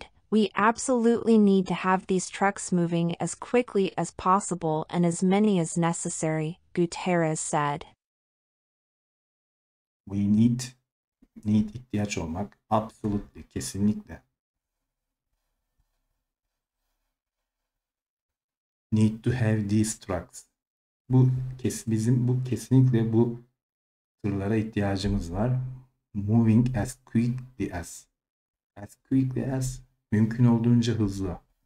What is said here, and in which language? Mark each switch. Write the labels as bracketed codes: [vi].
[en] We absolutely need to have these trucks moving as quickly as possible and as many as necessary, Guterres said. [tr] We need ihtiyaç olmak, absolutely, kesinlikle. [en] Need to have these trucks. [tr] Bizim kesinlikle bu tırlara ihtiyacımız var. [en] Moving as quickly as. As quickly as, [tr] mümkün olduğunca hızlı.